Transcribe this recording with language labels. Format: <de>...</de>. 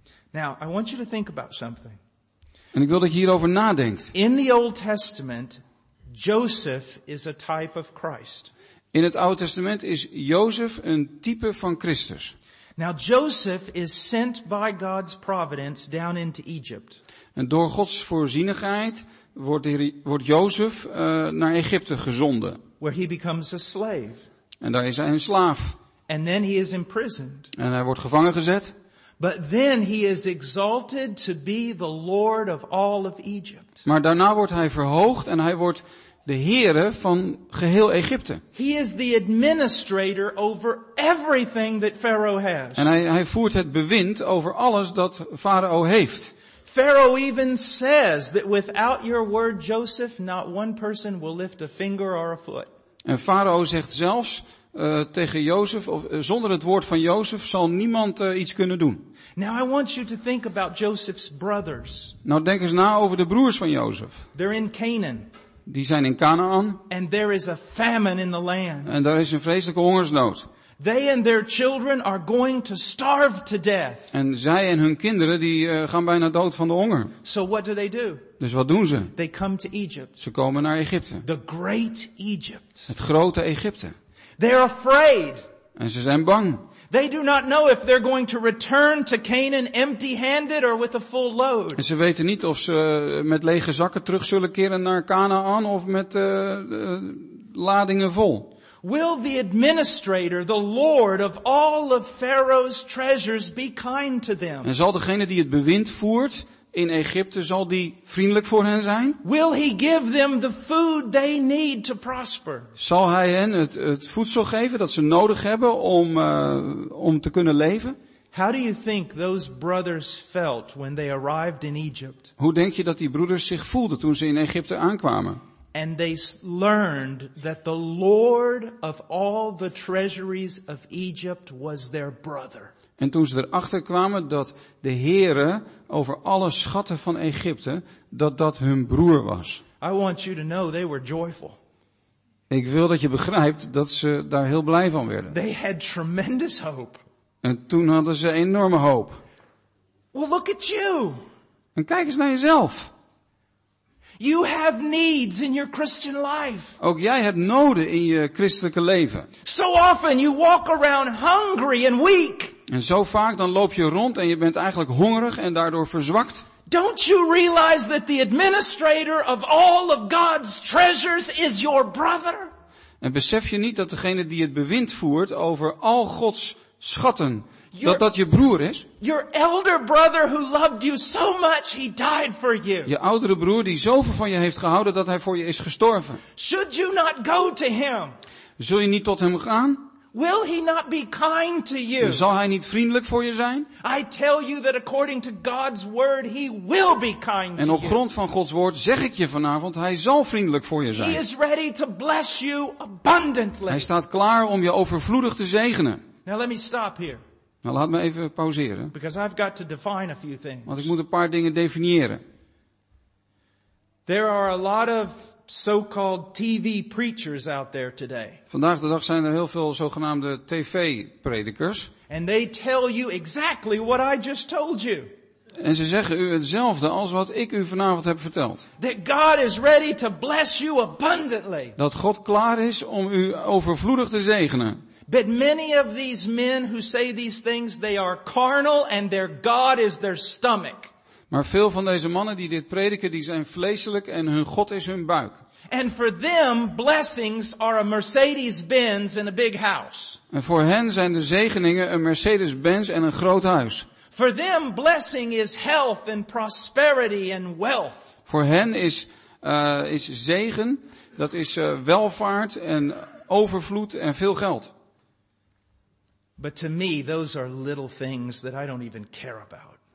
<en>Now, I want you to think about something.</en> <nl>En ik wil dat je hierover nadenkt.</nl> <en>In the Old Testament, Joseph is a type of Christ.</en> <nl>In het Oude Testament is Jozef een type van Christus.</nl> <en>Now Joseph is sent by God's providence down into Egypt.</en> <nl>En door Gods voorzienigheid wordt Jozef naar Egypte gezonden.</nl> <en>Where he becomes a slave.</en> <nl>En daar is hij een slaaf.</nl> <en>And then he is imprisoned.</en> <nl>En hij wordt gevangen gezet.</nl> <en>But then he is exalted to be the Lord of all of Egypt.</en> <nl>Maar daarna wordt hij verhoogd en hij wordt de heren van geheel Egypte.</nl> <en>He is the administrator over everything that Pharaoh has.</en> <nl>En hij voert het bewind over alles dat Farao heeft.</nl> <en>Pharaoh even says that without your word, Joseph, not one person will lift a finger or a foot.</en> <nl>En Farao zegt zelfs tegen Jozef, of zonder het woord van Jozef zal niemand iets kunnen doen.</nl> <en>Now I want you to think about Joseph's brothers.</en> <nl>Nou denk eens na over de broers van Jozef.</nl> <en>They're in Canaan.</en> <nl>Die zijn in Canaan.</nl> <en>And there is a famine in the land.</en> <nl>En daar is een vreselijke hongersnood.</nl> <en>They and their children are going to starve to death.</en> <nl>En zij en hun kinderen die gaan bijna dood van de honger.</nl> <en>So what do they do?</en> <nl>Dus wat doen ze?</nl> <en>They come to Egypt.</en> <nl>Ze komen naar Egypte.</nl> <en>The great Egypt.</en> <nl>Het grote Egypte.</nl> <en>They're afraid.</en> <nl>En ze zijn bang.</nl> <en>They do not know if they're going to return to Canaan empty-handed or with a full load.</en> <nl>En ze weten niet of ze met lege zakken terug zullen keren naar Canaan of met ladingen vol.</nl> <en>Will the administrator, the lord of all of Pharaoh's treasures, be kind to them?</en> <nl>En zal degene die het bewind voert in Egypte, zal die vriendelijk voor hen zijn?</nl> <en>Will he give them the food they need to prosper?</en> <nl>Zal hij hen het voedsel geven dat ze nodig hebben om te kunnen leven?</nl> <en>How do you think those brothers felt when they arrived in Egypt?</en> <nl>Hoe denk je dat die broeders zich voelden toen ze in Egypte aankwamen?</nl> <en>And they learned that the Lord of all the treasuries of Egypt was their brother.</en> <nl>En toen ze erachter kwamen dat de Heere over alle schatten van Egypte, dat hun broer was.</nl> <en>I want you to know they were joyful.</en> <nl>Ik wil dat je begrijpt dat ze daar heel blij van werden.</nl> <en>They had tremendous hope.</en> <nl>En toen hadden ze enorme hoop.</nl> <en>Well, look at you.</en> <nl>En kijk eens naar jezelf.</nl> <en>You have needs in your Christian life.</en> <nl>Ook jij hebt noden in je christelijke leven.</nl> <en>So often you walk around hungry and weak.</en> <nl>En zo vaak dan loop je rond en je bent eigenlijk hongerig en daardoor verzwakt.</nl> <en>Don't you realize that the administrator of all of God's treasures is your brother?</en> <nl>En besef je niet dat degene die het bewind voert over al Gods schatten, dat je broer is?</nl> <en>Your elder brother who loved you so much, he died for you.</en> <nl>Je oudere broer die zoveel van je heeft gehouden dat hij voor je is gestorven.</nl> <en>Should you not go to him?</en> <nl>Zul je niet tot hem gaan?</nl> <en>Will he not be kind to you?</en> <nl>Zal hij niet vriendelijk voor je zijn?</nl> <en>I tell you that according to God's word, he will be kind to you.</en> <nl>En op grond van Gods woord zeg ik je vanavond, hij zal vriendelijk voor je zijn.</nl> <en>He is ready to bless you abundantly.</en> <nl>Hij staat klaar om je overvloedig te zegenen.</nl> <en>Now let me stop here.</en> <nl>Nou, laat me even pauzeren.</nl> <en>Because I've got to define a few things.</en> <nl>Want ik moet een paar dingen definiëren.</nl> <en>There are a lot of so-called TV preachers out there today.</en> <nl>Vandaag de dag zijn er heel veel zogenaamde tv-predikers.</nl> <en>And they tell you exactly what I just told you.</en> <nl>En ze zeggen u hetzelfde als wat ik u vanavond heb verteld.</nl> <en>That God is ready to bless you abundantly.</en> <nl>Dat God klaar is om u overvloedig te zegenen.</nl> <en>But many of these men who say these things, they are carnal and their God is their stomach.</en> <nl>Maar veel van deze mannen die dit prediken, die zijn vleeselijk en hun God is hun buik.</nl> <en>And for them, blessings are a Mercedes-Benz and a big house.</en> <nl>En voor hen zijn de zegeningen een Mercedes-Benz en een groot huis.</nl> <en>For them, blessing is health and prosperity and wealth.</en> <nl>Voor hen is zegen, dat is welvaart en overvloed en veel geld.</nl> <en>But to me, those are little things that I don't even care about.</en>